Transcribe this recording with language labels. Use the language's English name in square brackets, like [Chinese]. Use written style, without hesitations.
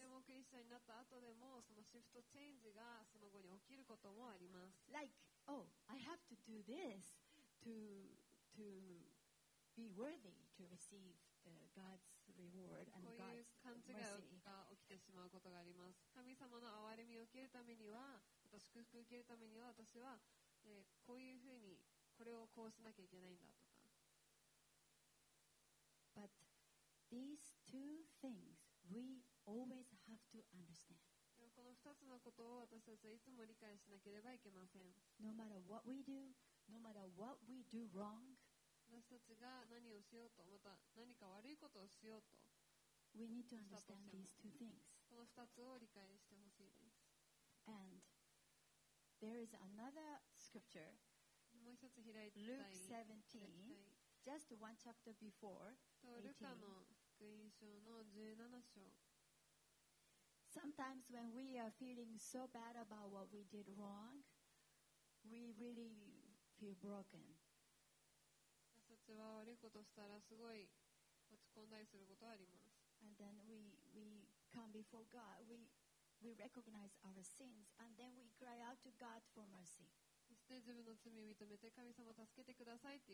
[English] Like,Oh, I have to do this to be worthy to receive the God's reward and God's mercy. [Japanese] こういう勘違いが起きてしまうことがあります。神様の憐れみを受けるためには、祝福を受けるためには、私は、こういうふうにこれをこうしなきゃいけないんだとか。 [English] But these two things we always have to understand. [Japanese] この二つのことを私たちはいつも理解しなければいけません。 [English] No matter what we do, no matter what we do wrong, [Japanese] 私たちが何をしようと、また何か悪いことをしようと、 [English] we need to understand these two things. [Japanese] この二つを理解してほしいです。 [English] And there is another scripture. [Japanese] もう一つ開いてください。 [English] Luke 17, just one chapter before. [Japanese] ルカの福音書の17章。 [English] Sometimes when we are feeling so bad about what we did wrong, we really feel broken. [Japanese] 私たちは悪いことをしたらすごい落ち込んだりすることがあります。 [English] And then we come before God, we recognize our sins, and then we cry out to God for mercy. [Japanese] そして自分の罪を認めて神様を助けてくださ